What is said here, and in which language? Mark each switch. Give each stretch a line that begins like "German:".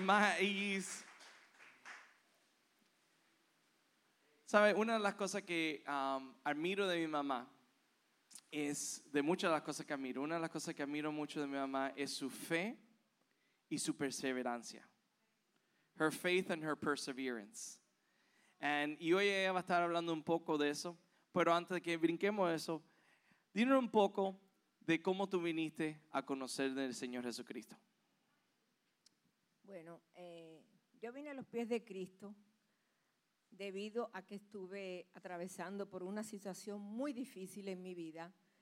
Spanish: Más ease. ¿Sabe? Una de las cosas que admiro de mi mamá es, de muchas de las cosas que admiro, una de las cosas que admiro mucho de mi mamá es su fe y su perseverancia.
English: Her faith and her perseverance.
Spanish: Y hoy ella va a estar hablando un poco de eso, pero antes de que brinquemos eso, dinos un poco de cómo tú viniste a conocer del Señor Jesucristo. Bueno, yo vine a los pies de Cristo debido a que estuve atravesando por una situación muy difícil en mi vida.